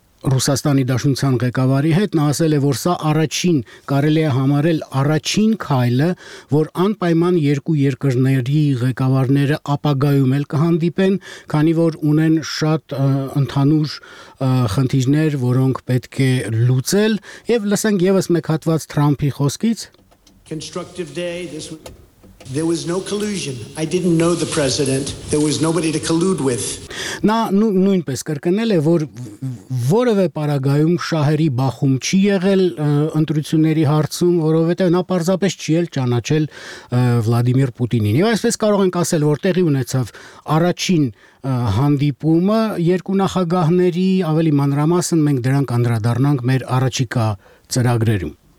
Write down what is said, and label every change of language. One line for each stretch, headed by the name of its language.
Armenian: Ռուսաստանի Դաշնության ղեկավարի հետ, նա ասել է, որ սա առաջին, կարելի է համարել առաջին քայլը, որ անպայման երկու երկրների ղեկավարները ապագայում էլ կհանդիպեն, քանի որ ունեն շատ ընդհանուր խնդիրներ, որոնք պետք է լուծել, եւ լսենք եւս մեկ հատված Թրամփի խոսքից։
English: Constructive day. There was no collusion. I didn't know the president. There was nobody to collude with.
Armenian: Նա նույնպես կրկնել է, որ որևէ պարագայում շահերի բախում չի եղել ընտրությունների հարցում, որովհետև նա պարզապես չի էլ ճանաչել Վլադիմիր Պուտինին։ Եվ այսպես կարող ենք ասել, որ տեղի ունեցավ առաջին հանդիպումը երկու նախագահների, ավելի մանրամասն մենք դրանք անդրադառնանք մեր առաջիկա ծրագրերում։